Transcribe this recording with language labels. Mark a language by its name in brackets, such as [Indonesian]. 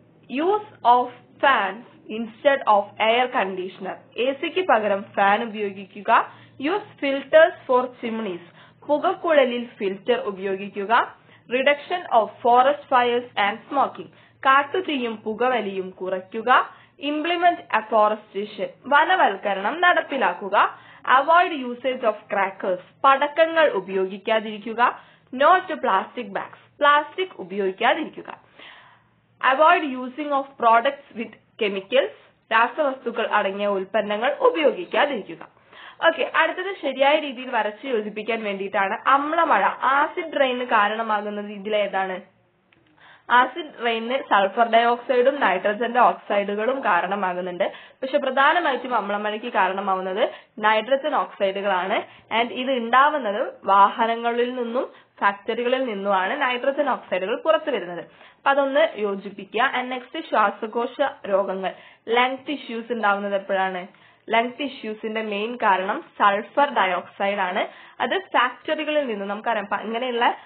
[English] use of fans instead of air conditioner AC [Malayalam] പകരം fan ഉപയോഗിക്കുക [English] use filters for chimneys [Malayalam] പുകക്കുഴലിൽ filter ഉപയോഗിക്കുക [English] reduction of forest fires and smoking [Malayalam] കാട്ടു തീയും പുകവലിയും കുറയ്ക്കുക [English] implement afforestation [Malayalam] വനവൽക്കരണം നടപ്പിലാക്കുക [English] avoid usage of crackers [Malayalam] പടക്കങ്ങൾ ഉപയോഗിക്കാതിരിക്കുക [English] Not to plastic bags. Plastic [Malayalam] ഉപയോഗിക്കാതിരിക്കുക [English] Avoid using of products with chemicals. [Malayalam] രാസവസ്തുക്കൾ അടങ്ങിയ ഉൽപ്പന്നങ്ങൾ ഉപയോഗിക്കാതിരിക്കുക ഓക്കെ അടുത്തത് ശരിയായ രീതിയിൽ വരച്ച് യോജിപ്പിക്കാൻ വേണ്ടിയിട്ടാണ് അമ്ലമഴ ആസിഡ് റെയിന് കാരണമാകുന്നത് ഇതിലേതാണ് ആസിഡ് റെയിന് സൾഫർ ഡയോക്സൈഡും നൈട്രജന്റെ ഓക്സൈഡുകളും കാരണമാകുന്നുണ്ട് പക്ഷെ പ്രധാനമായിട്ടും അമ്ലമഴയ്ക്ക് കാരണമാവുന്നത് നൈട്രജൻ ഓക്സൈഡുകളാണ് ആൻഡ് ഇത് ഉണ്ടാവുന്നത് വാഹനങ്ങളിൽ നിന്നും ഫാക്ടറികളിൽ നിന്നുമാണ് നൈട്രജൻ ഓക്സൈഡുകൾ പുറത്തു വരുന്നത് അപ്പൊ അതൊന്ന് യോജിപ്പിക്കുക ആൻഡ് നെക്സ്റ്റ് ശ്വാസകോശ രോഗങ്ങൾ ലങ് ടിഷ്യൂസ് ഉണ്ടാവുന്നത് എപ്പോഴാണ് ലങ് ടിഷ്യൂസിന്റെ മെയിൻ കാരണം സൾഫർ ഡയോക്സൈഡ് ആണ് അത് ഫാക്ടറികളിൽ നിന്നും നമുക്കറിയാം ഇങ്ങനെയുള്ള